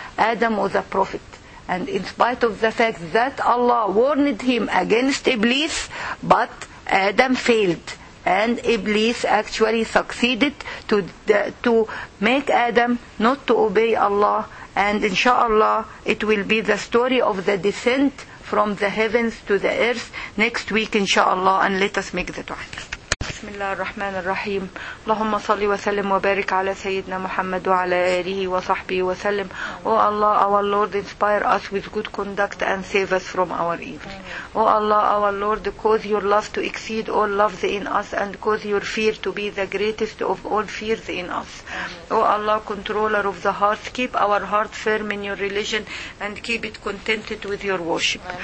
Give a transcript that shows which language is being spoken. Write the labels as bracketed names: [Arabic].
[English] Adam was a prophet. And in spite of the fact that Allah warned him against Iblis, but Adam failed. And Iblis actually succeeded to make Adam not to obey Allah. And inshallah, it will be the story of the descent from the heavens to the earth next week, inshallah. And let us make the dua. [Arabic] بسم الله الرحمن الرحيم اللهم صل وسلم وبارك على سيدنا محمد وعلى آله وصحبه وسلم. [English] O Allah, our Lord, inspire us with good conduct and save us from our evil. O Allah, our Lord, cause your love to exceed all loves in us, and cause your fear to be the greatest of all fears in us. O Allah, controller of the heart, keep our heart firm in your religion and keep it contented with your worship.